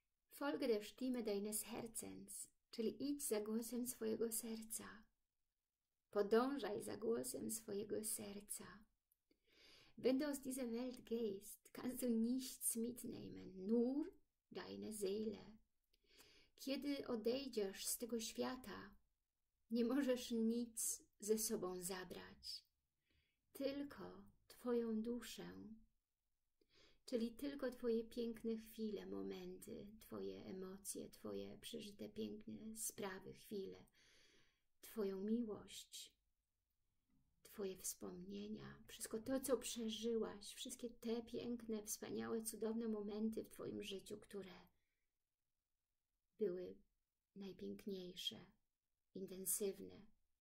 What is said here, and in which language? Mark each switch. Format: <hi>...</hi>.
<de>Folge der Stimme deines Herzens.</de> <pl>Czyli idź za głosem swojego serca. Podążaj za głosem swojego serca.</pl> <de>Wenn du aus dieser Welt gehst, kannst du nichts mitnehmen, nur deine Seele.</de> <pl>Kiedy odejdziesz z tego świata, nie możesz nic ze sobą zabrać, tylko Twoją duszę, czyli tylko Twoje piękne chwile, momenty, Twoje emocje, Twoje przeżyte piękne sprawy, chwile, Twoją miłość, Twoje wspomnienia, wszystko to, co przeżyłaś, wszystkie te piękne, wspaniałe, cudowne momenty w Twoim życiu, które były najpiękniejsze, intensywne.</pl>